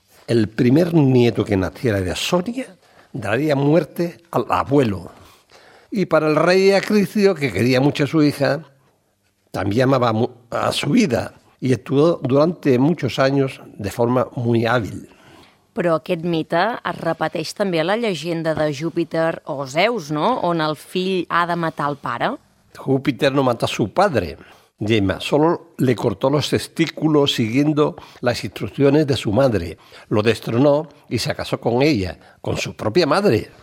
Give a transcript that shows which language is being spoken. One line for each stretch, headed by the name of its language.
Spanish: El primer nieto que naciera de Sonia daría muerte al abuelo. Y para el rey Acrisio, que quería mucho a su hija, también amaba a su vida, y actuó durante muchos años de forma muy hábil.
Catalan: Però aquest mite es repeteix també a la llegenda de Júpiter o Zeus, no?, on el fill ha de matar el pare.
Spanish: Júpiter no mata a su padre, Gemma. Solo le cortó los testículos siguiendo las instrucciones de su madre. Lo destronó y se casó con ella, con su propia madre.